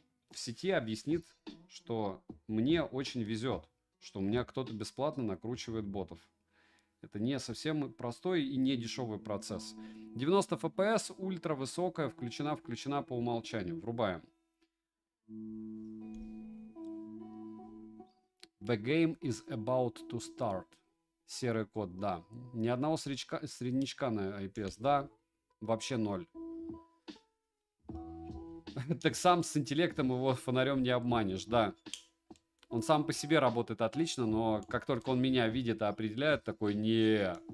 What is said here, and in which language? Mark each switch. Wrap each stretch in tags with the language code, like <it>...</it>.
<ru>в сети объяснит, что мне очень везет, что у меня кто-то бесплатно накручивает ботов. Это не совсем простой и не дешевый процесс. 90 FPS, ультра высокая, включена по умолчанию. Врубаем.</ru> <en>The game is about to start.</en> <ru>Серый код, да. Ни одного среднячка на IPS, да. Вообще ноль. Так сам с интеллектом его фонарем не обманешь, да. Он сам по себе работает отлично, но как только он меня видит и определяет, такой не.</ru>